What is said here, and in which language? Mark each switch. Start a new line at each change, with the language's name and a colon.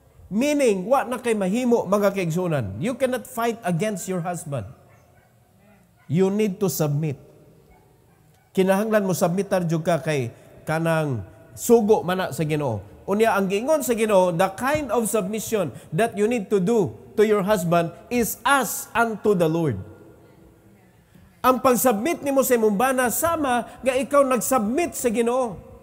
Cebuano: Meaning, wa na kay mahimo mga kaigsunan.
English: You cannot fight against your husband. You need to submit.
Cebuano: Kinahanglan mo submitar jud ka kay kanang sugo mana sa Ginoo. Unya ang giingon sa Ginoo,
English: the kind of submission that you need to do to your husband is as unto the Lord.
Cebuano: Ang pag-submit ni mo sa imong bana, sama nga ikaw nag-submit sa Ginoo.